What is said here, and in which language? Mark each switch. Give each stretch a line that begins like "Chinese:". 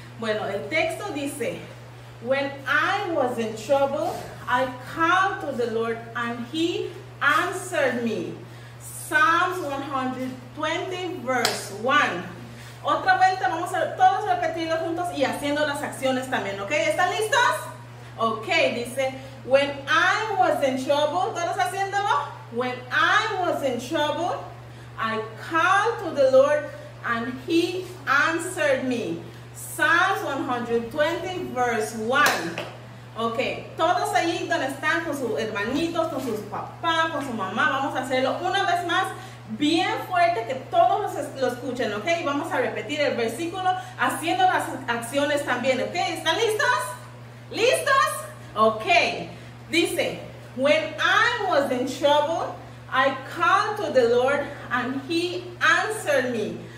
Spanish: Bueno, el texto dice,
English: when I was in trouble, I called to the Lord and He answered me. Psalms 120, verse 1.
Spanish: Otra vuelta, vamos a todos repetirlo juntos y haciendo las acciones también, ¿ok? ¿Están listos?
English: Okay, dice, when I was in trouble,
Spanish: ¿todos haciéndolo?
English: When I was in trouble, I called to the Lord and he answered me. Psalms 120, verse 1.
Spanish: Okay, todos ahí donde están con sus hermanitos, con sus papás, con su mamá, vamos a hacerlo una vez más. Bien fuerte que todos lo escuchen, ¿ok? Y vamos a repetir el versículo haciendo las acciones también, ¿ok? ¿Están listos? ¿Listos? Ok.
English: Dice, when I was in trouble, I called to the Lord and he answered me.